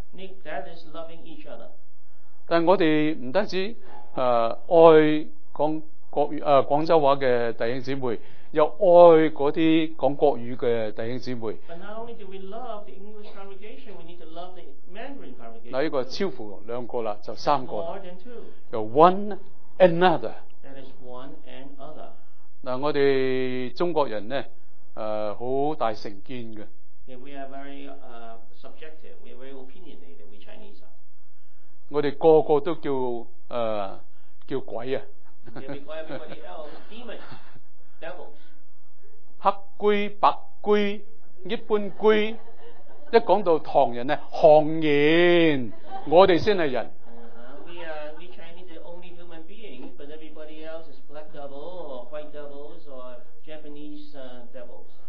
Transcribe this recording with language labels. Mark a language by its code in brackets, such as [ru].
[en] That is loving each other. [yue] 但我哋唔单止爱讲国语广州话嘅弟兄姊妹。又爱嗰啲讲国语嘅弟兄姊妹。 [en] But not only do we love the English congregation, we need to love the Mandarin congregation. [yue] 嗱，呢个超乎两个啦，就三个。 [en] More than two. 有 one another. That is one and other. [yue] 嗱，我哋中国人咧，好大成见嘅。 [en] Yeah, we are very subjective. We are very opinionated. We Chinese are. [yue] 我哋个个都叫叫鬼啊。 [en] Yeah, we call everybody else demons. Devils. [yue] 黑龟、白龟、一般龟，一讲到唐人咧，唐人，我哋先系人。 [en] We Chinese the only human being, but everybody else is black devil or white devils or Japanese devils.